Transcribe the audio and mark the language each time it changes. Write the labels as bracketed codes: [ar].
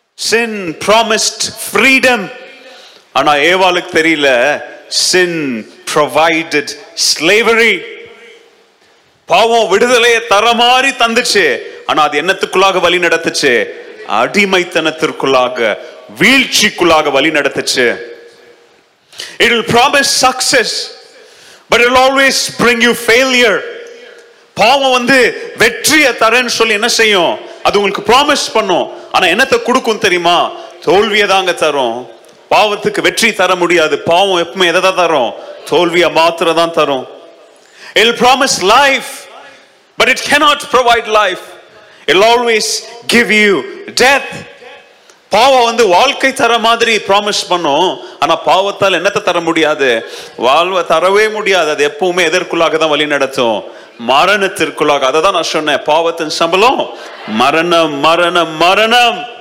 [en] sin promised freedom, [ta] ஆனா ஏவாளுக்கு தெரியல, [en] sin provided slavery. [ta] பாவம் விடுதலையை தர மாதிரி தந்துச்சு, ஆனா அது என்னத்துக்குள்ளாக வழி நடத்துச்சு, அடிமைத்தனத்திற்குள்ளாக, வீழ்ச்சிக்குள்ளாக வழி நடத்துச்சு. [en] It will promise success, but it will always bring you failure. [ta] பாவம் வந்து வெற்றியை தரேன்னு சொல்லி என்ன செய்யும், அது உங்களுக்கு ப்ராமிஸ் பண்ணும், ஆனா என்னத்தை கொடுக்கும் தெரியுமா, தோல்வியை தாங்க தரும். பாவத்துக்கு வெற்றி தர முடியாது, பாவம் எப்பவுமே எதை தான் தரும், தோல்வியை மாத்திரம் தான் தரும். [en] It'll promise life, but it cannot provide life. It'll always give you death. [ta] பாவம் வந்து வாழ்க்கை தர மாதிரி ப்ராமிஸ் பண்ணும், ஆனா பாவத்தால் என்னத்தை தர முடியாது, வாழ்வை தரவே முடியாது, அது எப்பவுமே எதற்குள்ளாக தான் வழி நடத்தும், மரணத்திற்குள்ளாக. அதான் நான் சொன்னேன், பாவத்தின் சம்பளம் மரணம், மரணம், மரணம்.